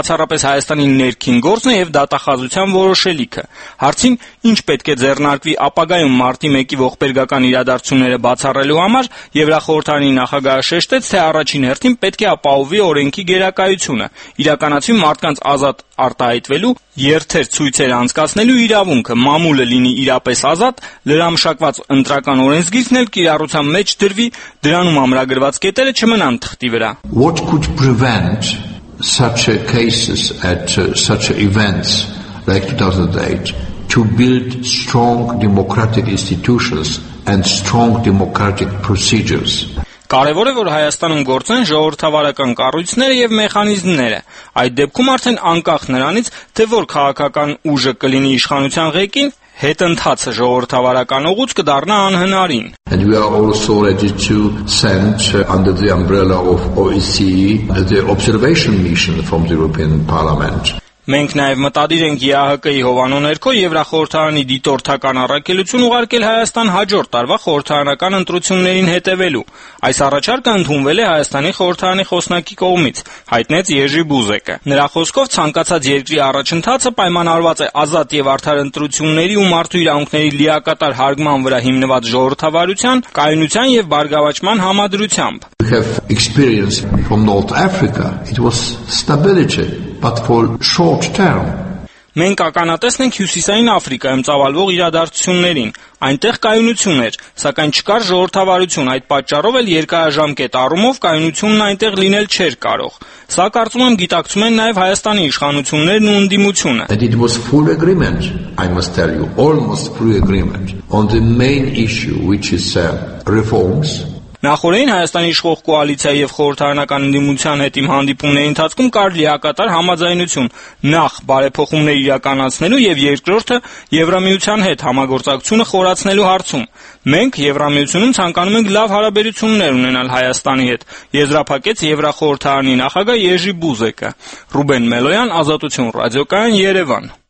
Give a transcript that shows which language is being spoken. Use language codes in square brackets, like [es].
[hy] բացառապես Հայաստանի ներքին գործն է եւ դատախազության որոշելիքը։ Հարցին, ինչ պետք է ձեռնարկվի ապագայում մարտի 1-ի ողբերգական իրադարձությունները բացառելու համար, Եվրախորհրդարանի նախագահը շեշտեց, թե առաջին հերթին պետք է ապահովի օրենքի գերակայությունը, իրականացում մարդկանց ազատ արտահայտվելու, երթեր ցույցեր անցկացնելու իրավունքը, մամուլը լինի իրապես ազատ, լրամշակված ընտրական օրենսգիրն էլ կիրառության մեջ դրվի, դրանում ամրագրված կետերը չմնան թղթի վրա։ [en] What could prevent such cases at such events like 2008 to build strong democratic institutions and strong democratic procedures? [hy] Կարևոր է, որ Հայաստանում գործեն ժողովրդավարական կառույցները եւ մեխանիզմները։ Այդ դեպքում արդեն անկախ նրանից, թե որ քաղաքական ուժը կլինի իշխանության ղեկին, հետընթացը ժողովրդավարական ուղուց կդառնա անհնարին։ [en] And we are also ready to send under the umbrella of OSCE the observation mission from the European Parliament. [hy] Մենք նաև մտադիր ենք ԵԱՀԿ-ի Հովանո ներքո Եվրախորհրդարանի դիտորդական առաքելություն ուղարկել Հայաստան հաջորդ տարվա խորհրդարանական ընտրություններին հետևելու։ Այս առաջարկը ընդունվել է Հայաստանի խորհրդարանի խոսնակի կողմից, հայտնեց Եժի Բուզեկը։ Նրա խոսքով ցանկացած երկրի առաջընթացը պայմանավորված է ազատ եւ արդար ընտրությունների ու մարդու իրավունքների լիակատար հարգման վրա հիմնված ժողովրդավարության, կայունության եւ բարգավաճման համադրությամբ։ [en] We have experience from North Africa. It was stability, but for short term. [hy] Մենք ականատեսնենք Հյուսիսային Աֆրիկայում ծավալվող իրադարձություններին, այնտեղ կայունություն էր, սակայն չկար ժողովրդավարություն, այդ պատճառով էլ երկարաժամկետ առումով կայունությունն այնտեղ լինել չէր կարող։ Սա կարծում եմ գիտակցում են նաև Հայաստանի իշխանություններն ու ընդդիմությունը։ [en] It was full agreement, I must tell you, almost full agreement on the main issue, which is reforms. [hy] Նախորդին Հայաստանի իշխող կոալիցիայի եւ խորհրդարանական ընդդիմության հետ իմ հանդիպումների ընթացքում կար լիակատար համաձայնություն՝ նախ բարեփոխումներ իրականացնելու եւ երկրորդը Եվրամիության հետ համագործակցությունը խորացնելու հարցում։ Մենք Եվրամիությունում ցանկանում ենք լավ հարաբերություններ ունենալ Հայաստանի հետ, եզրափակեց Եվրախորհրդարանի նախագահ Եժի Բուզեկը։ Ռուբեն Մելոյան, Ազատություն ռադիոկայան, Երևան։